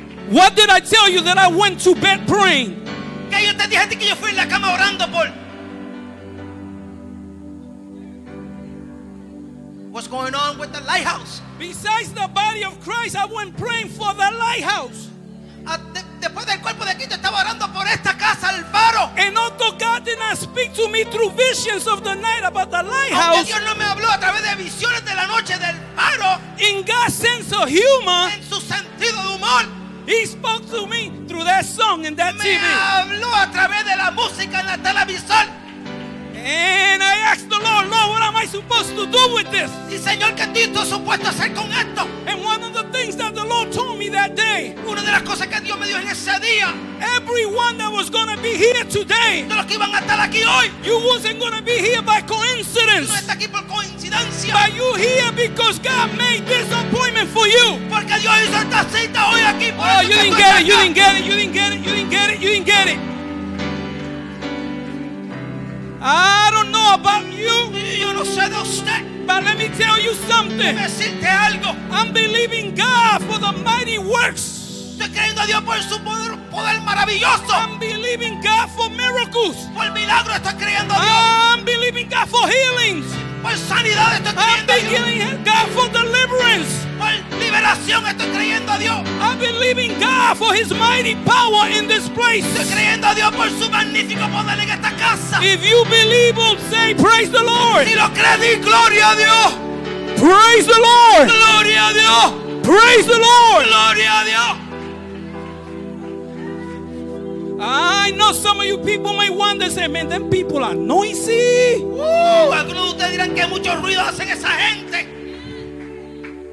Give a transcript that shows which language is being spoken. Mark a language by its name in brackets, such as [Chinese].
[English] What did I tell you that I went to bed praying? [Spanish] ¿Qué yo te dije que yo fui en la cama orando por? [English] What's going on with the lighthouse? Besides the body of Christ, I went praying for the lighthouse. [Spanish] Después del cuerpo de Cristo estaba orando por esta casa, el faro. [English] And although God did not speak to me through visions of the night about the lighthouse, [Spanish] aunque Dios no me habló a través de visiones de la noche del faro, [English] in God's sense of humor, [Spanish] en su sentido de humor, [English] He spoke to me through that song and that [Spanish] me [English] TV. [Spanish] Me habló a través de la música en la televisión. [English] And I asked the Lord, Lord, what am I supposed to do with this? [Spanish] Y Señor, ¿qué estoy supuesto a hacer con esto? [English] And one of the things that the Lord told me that day. [Spanish] Una de las cosas que Dios me dio en ese día. [English] Everyone that was going to be here today. [Spanish] De los que iban a estar aquí hoy. [English] You wasn't going to be here by coincidence. [Spanish] No está aquí por coincidencia. [English] But you here because God made this appointment for you. [Spanish] Porque Dios hizo esta cita hoy aquí. [English] Oh, you didn't get it. You didn't get it. You didn't get it. You didn't get it. You didn't get it. I don't know about you. [Spanish] Yo no sé de usted. [English] But let me tell you something. [Spanish] Decirte algo. [English] I'm believing God for the mighty works. [Spanish] Estoy creyendo a Dios por su poder, poder maravilloso. [English] I'm believing God for miracles. [Spanish] Por el milagro estoy creyendo a Dios. [English] I'm believing God for healings. [Spanish] Por sanidad estoy creyendo a Dios. [English] I'm believing God for deliverance. [Spanish] Por liberación estoy creyendo a Dios. [English] I'm believing God for His mighty power in this place. [Spanish] Estoy creyendo a Dios por su magnífico poder en esta casa. [English] If you believe, say praise the Lord. [Spanish] Si lo crees, di gloria a Dios. [English] Praise the Lord. [Spanish] Gloria a Dios. [English] Praise the Lord. [Spanish] Gloria a Dios. [English] I know some of you people may wonder, say, man, them people are noisy. Woo! [Spanish] Algunos de ustedes dirán que mucho ruido hacen esa gente.